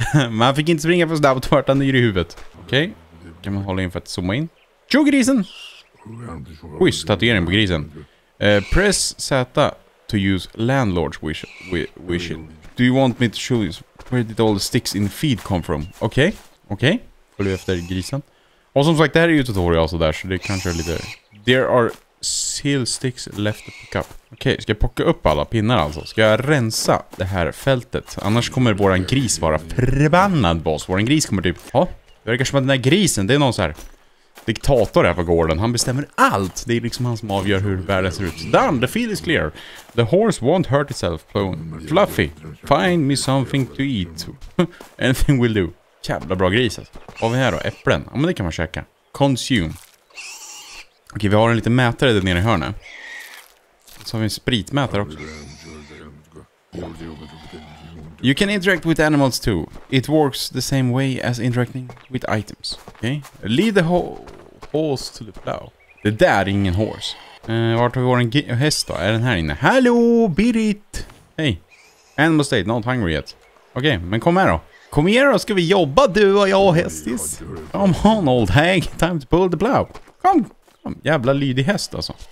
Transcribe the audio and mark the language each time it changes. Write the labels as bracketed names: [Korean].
[Swedish] Man fick inte springa för snabbt. Vart han är i huvudet. Okej. Okay. Kan man hålla in för att zooma in. Tjo grisen. Wish. Tatuering på grisen. [English] Press Z to use landlord's wish. Do you want me to show you where did all the sticks in the feed come from? [Swedish] Okej. Okay. Okej. Okay. Följ efter grisen. Och som sagt, det här är ju tutorial och sådär, så det kanske är lite... [English] There are seal sticks left to pick up. [Swedish] Okej, okay, ska jag plocka upp alla pinnar alltså? Ska jag rensa det här fältet? Annars kommer våran gris vara förbannad boss. Våran gris kommer typ... Ja, det verkar som att den här grisen, det är någon så här diktator här på gården. Han bestämmer allt. Det är liksom han som avgör hur världen ser ut. [English] Done, the field is clear. The horse won't hurt itself. Fluffy, find me something to eat. Anything will do. [Swedish] Jävla bra gris alltså. Vad har vi här då? Äpplen. Ja, men det kan man käka. Consume. Okej, vi har en liten mätare där nere i hörnet. Så har vi en spritmätare också. [English] You can interact with animals too. It works the same way as interacting with items. Okej. Okay. Lead the horse to the plow. [Swedish] Det där är ingen horse. Vart har vi vår häst då? Är den här inne? Hallå, Birit! Hej. [English] Animal state, not hungry yet. [Swedish] Okej, okay, men kom här då. Kom igen då, ska vi jobba du och jag och hästis? [English] Come on, old hag. Time to pull the plow. [Swedish] Kom. Jävla lydig häst alltså.